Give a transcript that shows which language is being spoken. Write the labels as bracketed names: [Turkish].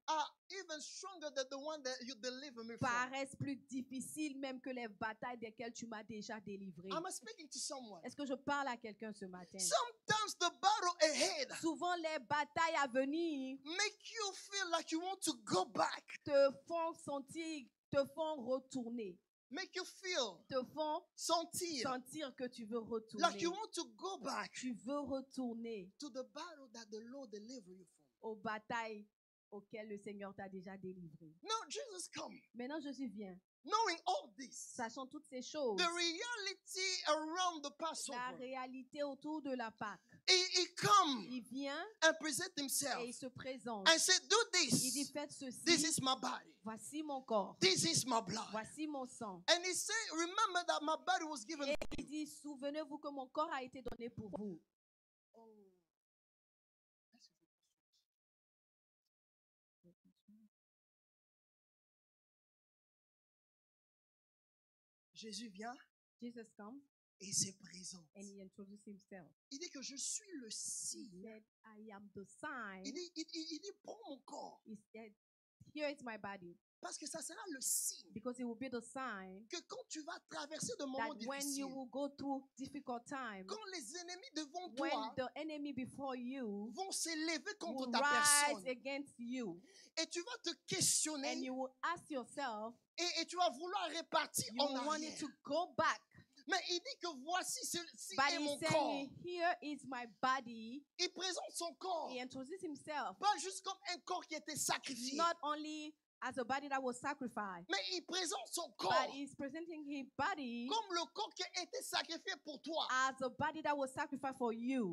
[English] are even stronger than the one that you deliver me from. [French] Paraissent plus difficiles même que les batailles desquelles tu m'as déjà délivré. [English] I'm speaking to someone. [French] Est-ce que je parle à quelqu'un ce matin? [English] Sometimes the battle ahead [French] souvent les batailles à venir [English] make you feel like you want to go back. [French] Te font sentir, te font retourner. [English] Make you feel [French] te font sentir que tu veux retourner. [English] Like you want to go back [French] tu veux retourner [English] to the battle that the Lord delivered you from. [French] aux batailles auxquelles le Seigneur t'a déjà délivré. [English] Now Jesus come. [French] Maintenant Jésus vient. [English] Knowing all this, [French] sachant toutes ces choses, [English] the reality around the Passover, [French] la réalité autour de la Pâque, [English] he come, [French] il vient, [English] and present himself, [French] et il se présente, [English] and say, do this, [French] il dit, faites ceci, [English] this is my body, [French] voici mon corps, [English] this is my blood, [French] voici mon sang, [English] and he say, remember that my body was given [French] et [English] to you, [French] il dit, souvenez-vous que mon corps a été donné pour vous. Jésus vient. [English] Jesus comes. [French] Et se présente. [English] And he introduces himself. [French] Il dit que je suis le signe. [English] He said, I am the sign. [French] Il dit prends mon corps. [English] He said, here is my body. [French] Parce que ça sera le signe. [English] Because it will be the sign. [French] Que quand tu vas traverser de moments difficiles. [English] When you will go through difficult times. [French] Quand les ennemis devant toi. [English] When the enemy before you. [French] Vont s'élever contre ta [English] rise [French] personne. [English] Against you. [French] Et tu vas te questionner. [English] And you will ask yourself. [French] Et tu vas vouloir repartir [English] you [French] en arrière. [English] To go back. [French] Mais il dit que voici ceci [English] but [French] est mon [English] saying, [French] corps. [English] Here is my body. [French] Il présente son corps. [English] He introduces himself. [French] Pas juste comme un corps qui était sacrifié. [English] Not only as a body that was sacrificed. [French] Mais il présente son corps. [English] But he's presenting his body. [French] Comme le corps qui a été sacrifié pour toi. [English] As a body that was sacrificed for you.